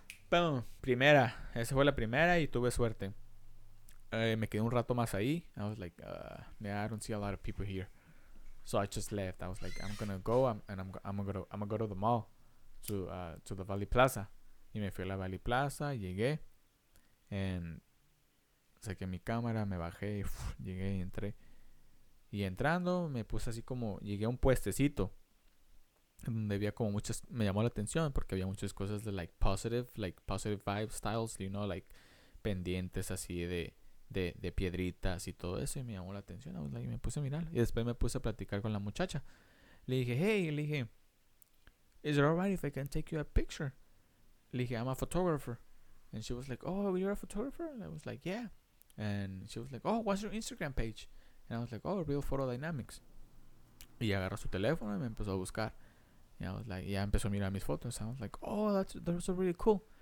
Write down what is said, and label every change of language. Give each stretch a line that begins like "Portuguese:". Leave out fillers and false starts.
Spanish: Bueno, primera, esa fue la primera y tuve suerte. Me quedé un rato más ahí.
English: I was like, yeah, I don't see a lot of people here. So I just left. I was like, I'm gonna go to the mall to the Valley Plaza.
Spanish: Y me fui a la Valley Plaza, llegué.
English: And
Spanish: saqué mi cámara, me bajé, llegué y entré. Y entrando, me puse así como, llegué a un puestecito donde había como muchas, me llamó la atención porque había muchas cosas de
English: like positive vibe styles, you know, like
Spanish: pendientes así de piedritas y todo eso. Y me llamó la atención, y me puse a mirar. Y después me puse a platicar con la muchacha. Le dije, hey, le dije,
English: is it alright if I can take you a picture?
Spanish: Le dije,
English: I'm a photographer. And she was like, oh, you're a photographer? And I was like, yeah. And she was like, oh, what's your Instagram page? And I was like, oh, Real Photo Dynamics.
Spanish: Y agarró su teléfono y me empezó a buscar. Y
English: I was like,
Spanish: ya empezó a mirar mis fotos.
English: And I was like, oh, that's really cool.